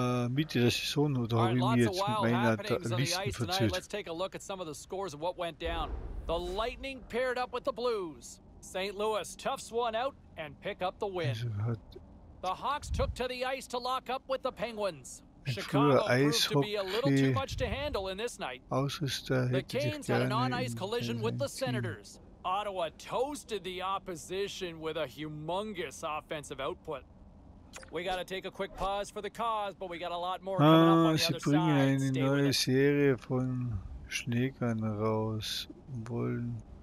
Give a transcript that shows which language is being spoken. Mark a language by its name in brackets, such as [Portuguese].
[German] Mitte der Saison, oder habe ich mich jetzt mit meiner Liste verzögert? [English] Let's take a look at some of the scores of what went down. The Lightning paired up with the Blues. St. Louis toughs one out and pick up the win. The Hawks took to the ice to lock up with the Penguins. Chicago proved to be a little too much to handle in this night. The Canes had an on-ice collision with the Senators. Ottawa toasted the opposition with a humongous offensive output. We gotta take a quick pause for the cause, but we got a lot more coming up on the other side. [German] Sie bringen eine neue Serie von Schlägern raus und wollen.